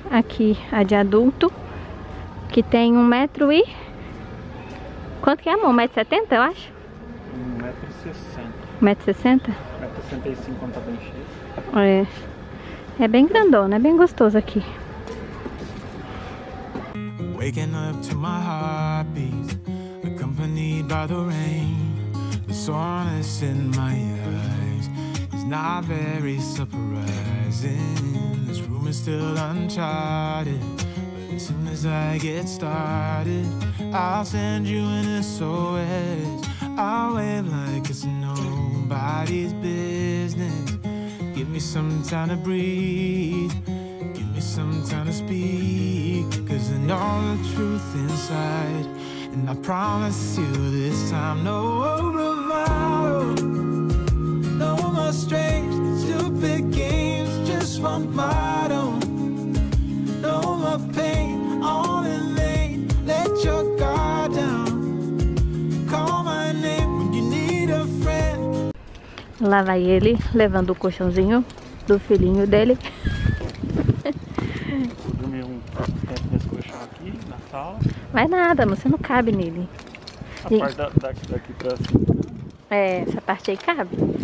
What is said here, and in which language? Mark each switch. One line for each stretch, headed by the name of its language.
Portuguese: Aqui a de adulto, que tem 1 metro e... Quanto que é, amor? 1,70 m, eu acho? 1,60 m. 1,60 m? 1,65 m, quando tá bem cheio. É. É bem grandona, é bem gostoso aqui.
English: Waking up to my heartbeat, accompanied by the rain. The soreness in my eyes is not very surprising. This room is still uncharted, but as soon as I get started, I'll send you an SOS. I'll wave like it's nobody's business. Give me some time to breathe, give me some time to speak, 'cause I know the truth inside, and I promise you this time, no more vows, no more strange, stupid games, just one bottle, no more pain, all in vain, let your guard down, call my name when you need a friend.
Portuguese: Lá vai ele, levando o colchãozinho do filhinho dele. Vou dormir um tempo nesse colchão aqui, na sala. Vai nada, você não cabe nele. A gente... parte daqui pra cima. É, essa parte aí cabe.